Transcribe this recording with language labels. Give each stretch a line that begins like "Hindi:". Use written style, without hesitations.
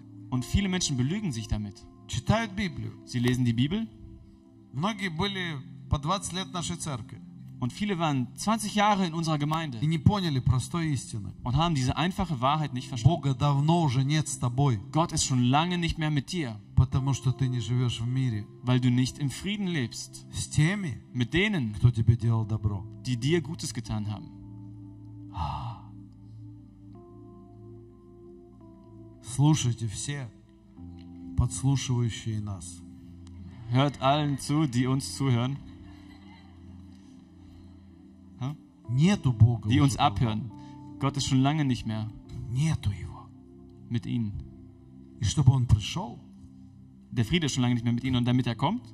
German: Und viele Menschen belügen sich damit. Sie lesen die Bibel.
Russian: Многие были по 20 лет нашей церкви.
German: Und viele waren 20 Jahre in unserer Gemeinde.
Russian: И не поняли простой истины.
German: Und haben diese einfache Wahrheit nicht verstanden.
Russian: Бога давно уже нет с тобой.
German: Gott ist schon lange nicht mehr mit dir.
Russian: Потому что ты не живешь в мире.
German: Weil du nicht im Frieden lebst.
Russian: С теми,
German: mit denen,
Russian: кто тебе делал добро.
German: Die dir Gutes getan haben.
Russian: Слушайте все подслушивающие нас.
German: Hört allen zu, die uns zuhören.
Russian: Нету Бога.
German: Die uns abhören. Gott ist schon lange nicht mehr.
Russian: Нету его.
German: Mit ihnen.
Russian: И чтобы он пришел.
German: Der Friede ist schon lange nicht mehr mit ihnen. Und damit er kommt,